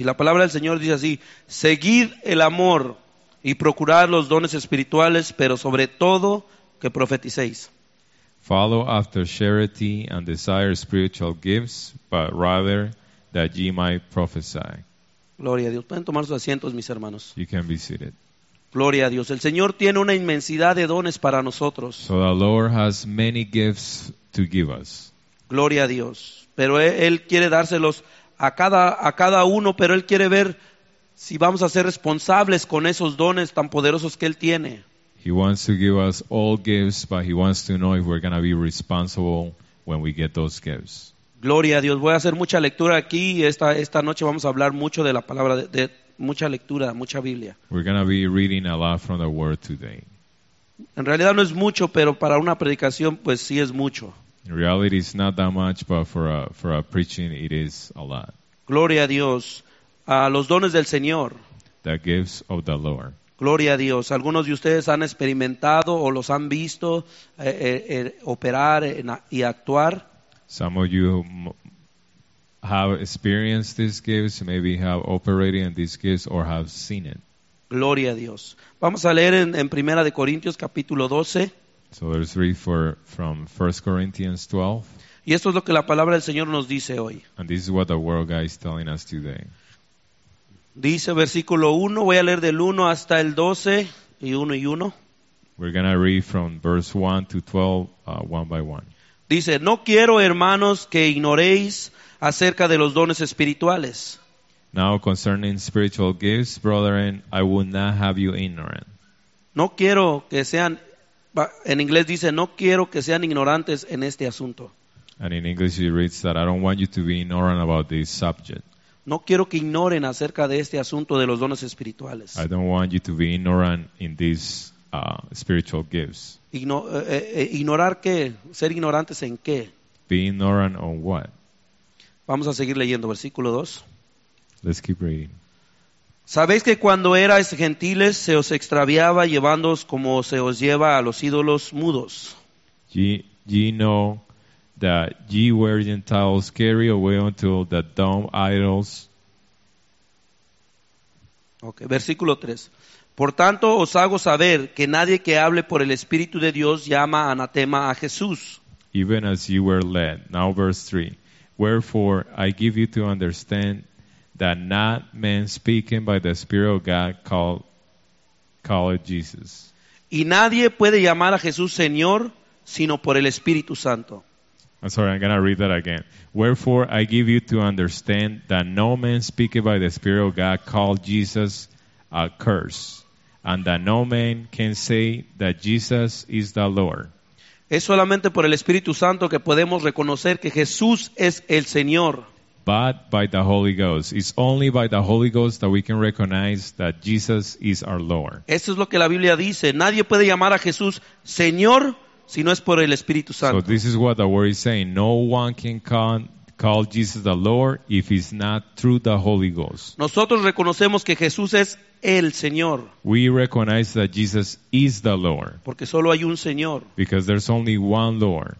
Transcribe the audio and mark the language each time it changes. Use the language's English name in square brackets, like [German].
[Spanish] Y la palabra del Señor dice así: Seguid el amor y procurad los dones espirituales, pero sobre todo que profeticéis. [English] Follow after charity and desire spiritual gifts, but rather that ye might prophesy. [Spanish] Gloria a Dios. Pueden tomar sus asientos, mis hermanos. [English] You can be seated. [Spanish] Gloria a Dios. El Señor tiene una inmensidad de dones para nosotros. [English] So the Lord has many gifts to give us. [Spanish] Gloria a Dios. Pero Él quiere dárselos a cada uno, pero Él quiere ver si vamos a ser responsables con esos dones tan poderosos que Él tiene. [English] He wants to give us all gifts, but He wants to know if we're going to be responsible when we get those gifts. [Spanish] Gloria a Dios. Voy a hacer mucha lectura aquí. Esta noche vamos a hablar mucho de la palabra, de mucha lectura, mucha Biblia. [English] We're going to be reading a lot from the Word today. [Spanish] En realidad no es mucho, pero para una predicación, pues sí es mucho. [English] In reality, it's not that much, but for a preaching, it is a lot. [Spanish] Gloria a Dios. Los dones del Señor. [English] The gifts of the Lord. [Spanish] Gloria a Dios. Algunos de ustedes han experimentado o los han visto operar y actuar. [English] Some of you have experienced these gifts, maybe have operated in these gifts or have seen it. [Spanish] Gloria a Dios. Vamos a leer en 1 Corintios capítulo 12. [English] So let's read from 1 Corinthians 12. [Spanish] Y esto es lo que la palabra del Señor nos dice hoy. [English] And this is what the world guy is telling us today. [Spanish] Dice versículo 1, voy a leer del 1 hasta el 12 y 1 y 1. [English] We're going to read from verse 1 to 12, one by one. [Spanish] Dice, no quiero, hermanos, que ignoréis acerca de los dones espirituales. [English] Now concerning spiritual gifts, brethren, I would not have you ignorant. [Spanish] No quiero que sean, en inglés dice, no quiero que sean ignorantes en este asunto. [English] And in English it reads that I don't want you to be ignorant about this subject. [Spanish] No quiero que ignoren acerca de este asunto de los dones espirituales. [English] I don't want you to be ignorant in this spiritual gifts. [Spanish] Ignorar qué? Ser ignorantes en qué? [English] Be ignorant on what? [Spanish] Vamos a seguir leyendo versículo 2. [English] Let's keep reading. [Spanish] Sabéis que cuando erais gentiles se os extraviaba llevándoos como se os lleva a los ídolos mudos. [English] ye know that ye were Gentiles carried away unto the dumb idols. [Spanish] Okay, versículo 3. Por tanto, os hago saber que nadie que hable por el Espíritu de Dios llama anatema a Jesús. [English] Even as you were led. Now verse 3. Wherefore, I give you to understand that not man speaking by the Spirit of God called Jesus. [Spanish] Y nadie puede llamar a Jesús Señor sino por el Espíritu Santo. [English] I'm sorry, I'm going to read that again. Wherefore, I give you to understand that no man speaking by the Spirit of God called Jesus a curse, and that no man can say that Jesus is the Lord. [Spanish] Es solamente por el Espíritu Santo que podemos reconocer que Jesús es el Señor. [English] But by the Holy Ghost. It's only by the Holy Ghost that we can recognize that Jesus is our Lord. [Spanish] Eso es lo que la Biblia dice. Nadie puede llamar a Jesús Señor si no es por el Espíritu Santo. [English] So this is what the word is saying. No one can call Jesus the Lord if it's not through the Holy Ghost. [Spanish] Nosotros reconocemos que Jesús es el Señor. [English] We recognize that Jesus is the Lord. [Spanish] Porque solo hay un Señor. [English] Because there's only one Lord.